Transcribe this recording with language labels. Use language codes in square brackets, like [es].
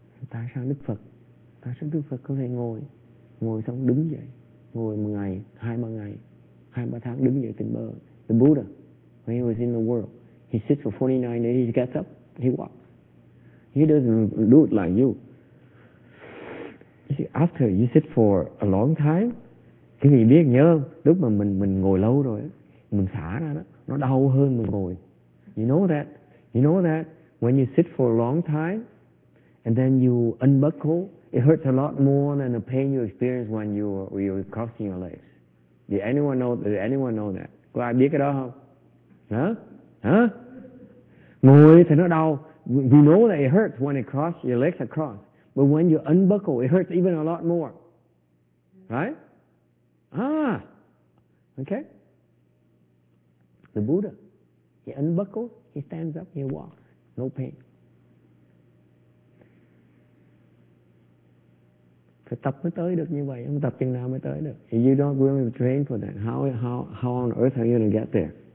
[vi] Tại sao Đức Phật có thể ngồi ngồi xong đứng dậy, ngồi một ngày, hai ba tháng đứng dậy tỉnh bơ. [en] The Buddha, when he was in the world, he sits for 49 days, he gets up, he walks. He doesn't do it like you. After you sit for a long time, [vi] cái gì biết nhớ không? Lúc mà mình ngồi lâu rồi, mình xả ra đó, nó đau hơn mình ngồi. [en] You know that? When you sit for a long time, and then you unbuckle, it hurts a lot more than the pain you experience when you're crossing your legs. Did anyone know that? [vi] Có ai biết cái đó không? Hả? Ngồi thì nó đau. [en] You know that it hurts when it cross, your legs are crossed. But when you unbuckle, it hurts even a lot more. Right? Ah! Okay? The Buddha. He unbuckles, he stands up, he walks. No pain. [vi] Phải tập mới tới được như vậy. Không tập chừng nào mới tới được. [en] If you don't really train for that, how on earth are you going to get there?